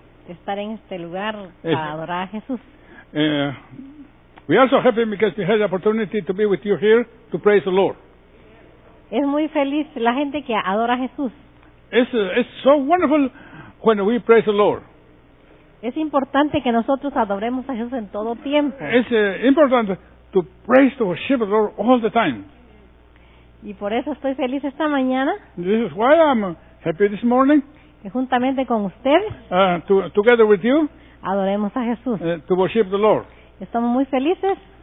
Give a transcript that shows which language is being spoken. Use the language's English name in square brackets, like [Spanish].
[Spanish] De estar en este lugar para adorar a Jesús. [English] We also happy because we had the opportunity to be with you here to praise the Lord. [Spanish] Es muy feliz la gente que adora a Jesús. [English] It's so wonderful when we praise the Lord. [Spanish] Es importante que nosotros adoremos a Jesús en todo tiempo. [English] It's important to praise, to worship the Lord all the time. [Spanish] Y por eso estoy feliz esta mañana. [English] This is why I'm happy this morning. [Spanish] Que juntamente con usted. [English] Together with you. [Spanish] Adoremos a Jesús. [English] To worship the Lord. [Spanish] Estamos muy felices.